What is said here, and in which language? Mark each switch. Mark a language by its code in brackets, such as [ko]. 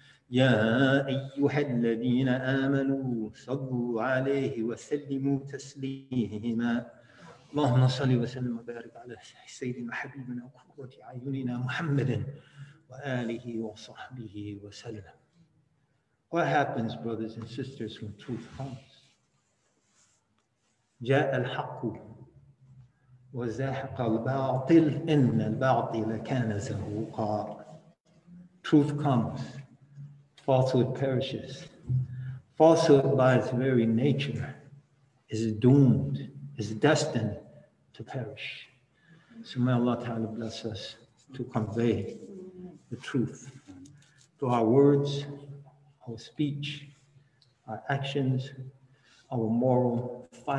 [ar] يا أيها الذين آمنوا صلوا عليه وسلموا تسليما اللهم صل وسلم وبارك على سيدنا وحبيبنا وقرة أعيننا محمد وآله وصحبه وسلم. [en] What happens, brothers and sisters, when truth comes? [ar] جاء الحق وزاحق الباطل إن الباطل كان زهوقا. [en] Truth comes, falsehood perishes. Falsehood by its very nature is doomed, is destined to perish. So may Allah Ta'ala bless us to convey the truth to our words, our speech, our actions, our moral fiber.